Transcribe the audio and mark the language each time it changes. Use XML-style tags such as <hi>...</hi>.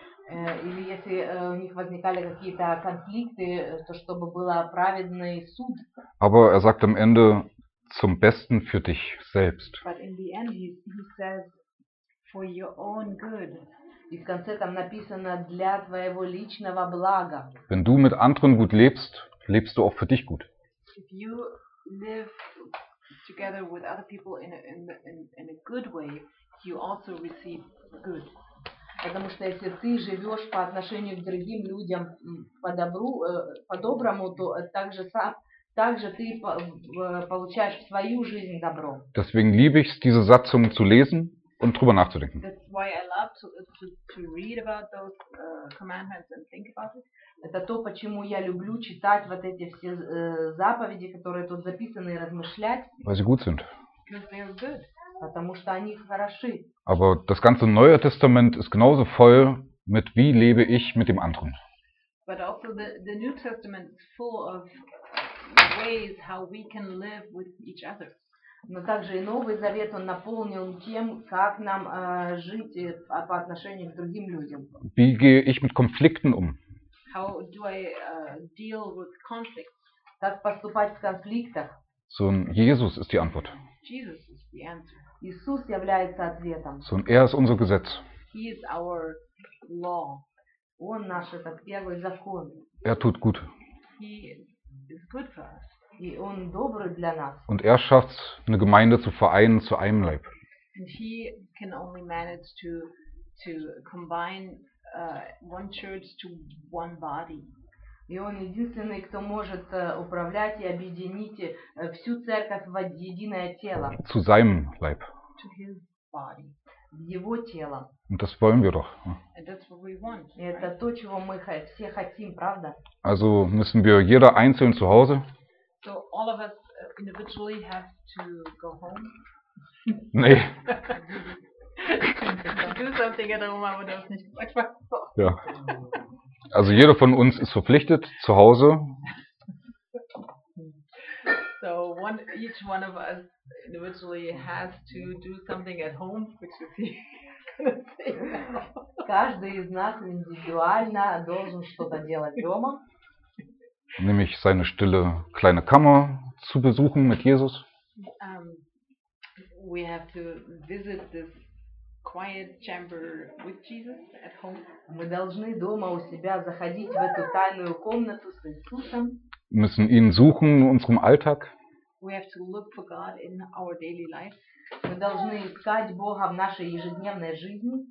<ru>Или если у них возникали какие-то конфликты, то чтобы был праведный суд.</ru> <de>Aber er sagt am Ende zum Besten für dich selbst.</de> <en>But in the end he says for your own good.</en> <ru>И в конце там написано для твоего личного блага.</ru> <de>Wenn du mit anderen gut lebst, lebst du auch für dich gut.</de> <en>If you live together with other people in a good way, you also receive good.</en> <ru>Потому что если ты живешь по отношению к другим людям по-доброму, то также сам, также ты получаешь в свою жизнь добро.</ru> <de>Deswegen liebe ich diese Satzung zu lesen. und drüber nachzudenken.</de> <en>That's why I love to read about those commandments and think about it.</en> <ru>Это то, почему я люблю читать вот эти все заповеди, которые тут записаны, и размышлять.</ru> <de>Weil sie gut sind.</de> <en>Because they are good.</en> <ru>Потому что они хороши.</ru> <de>Aber das ganze Neue Testament ist genauso voll mit wie lebe ich mit dem anderen.</de> <en>But also the New Testament is full of ways how we can live with each other.</en> <ru>Но также и Новый Завет он наполнен тем, как нам жить по отношению к другим людям.</ru> <de>Wie gehe ich mit Konflikten um?</de> <en>How do I deal with conflicts?</en> <ru>Как поступать с конфликтах?</ru> <de>So Jesus ist die Antwort.</de> <en>Jesus is the answer.</en> <ru>Иисус является ответом.</ru> <de>So ist unser Gesetz.</de> <en>He is our law.</en> <ru>Он наш этот первый закон.</ru> <de>Tut gut.</de> <en>He is good for us.</en> <ru>И он добрый для нас.</ru> <de>Und schafft eine Gemeinde zu vereinen zu einem Leib.</de> <en>And he can only manage to combine one church to one body.</en> <ru>И он единственный, кто может управлять и объединить всю церковь в единое тело.</ru> <de>Zu seinem Leib.</de> <en>To his body.</en> <ru>В его тело.</ru> <de>Und das wollen wir doch.</de> <en>And that's what we want.</en> <ru>И это то, чего мы все хотим, правда?</ru> <de>Also müssen wir jeder einzeln zu Hause.</de> <en>So all of us individually have to go home.</en> <de>Nee.</de> <en>Do something at home,</en> <de>aber das nicht einfach. Ja. Also jeder von uns ist verpflichtet zu Hause.</de> <en>So one, each one of us individually has to do something at home, which is</en> <ru>каждый из нас индивидуально должен что-то делать дома.</ru> <de>Nämlich seine stille kleine Kammer zu besuchen mit Jesus.</de> <en>We have to visit this quiet chamber with Jesus at home.</en> <ru>Мы должны дома у себя заходить в эту тайную комнату с Иисусом.</ru> <de>Müssen ihn suchen in unserem Alltag.</de> <en>We have to look for God in our daily life.</en> <ru>Мы должны искать Бога в нашей ежедневной жизни.</ru>